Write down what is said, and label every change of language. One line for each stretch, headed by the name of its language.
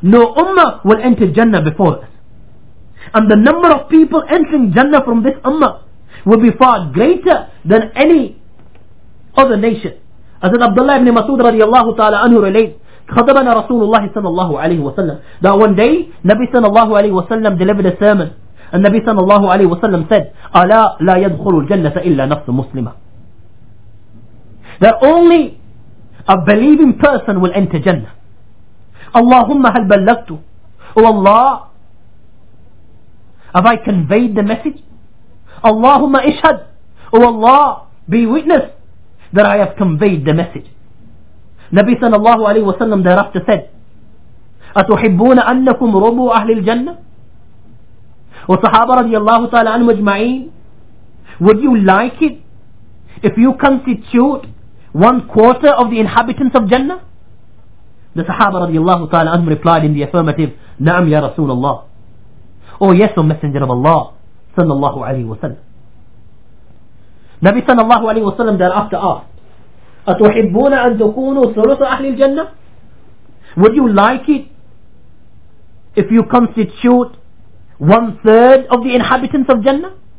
English: No ummah will enter Jannah before us. And the number of people entering Jannah from this ummah will be far greater than any other nation. As in Abdullah ibn Masud radiallahu ta'ala anhu relates,
Arabic: خَطَبَنَا رَسُولُ اللَّهِ صَلَى اللَّهُ عَلَيْهِ وَسَلَّمُ.
English: That one day, Nabi صلى الله عليه وسلم delivered a sermon. And Nabi
Arabic: صلى الله عليه وسلم
English: said,
Arabic: أَلَا لَا يَدْخُلُ الْجَنَّةَ إِلَّا نَفْسُ مُسْلِمَةً.
English: That only a believing person will enter Jannah.
Arabic: Allahumma hal ballagtu.
English: Oh Allah, have I conveyed the message?
Arabic: Allahumma ishad.
English: Oh Allah, be witness that I have conveyed the message. Nabi sallallahu alayhi wa sallam thereafter said,
Arabic: أَتُحِبُّونَ أَنَّكُمْ رُبُوا أَهْلِ الْجَنَّةِ. وَصَحَابَ رَضِيَ اللَّهُ تَعَالَى عَنْهُمْ أَجْمَعِينَ.
English: Would you like it if you constitute one quarter of the inhabitants of Jannah? The Sahaba رضي الله تعالى عنهم replied in the affirmative,
Arabic: نعم يا رسول الله.
English: Oh yes, O Messenger of Allah صلى الله عليه وسلم. Nabi صلى الله عليه وسلم thereafter asked,
Arabic: أتحبون أن تكونوا ثلث أهل الجنة؟
English: Would you like it if you constitute one third of the inhabitants of Jannah?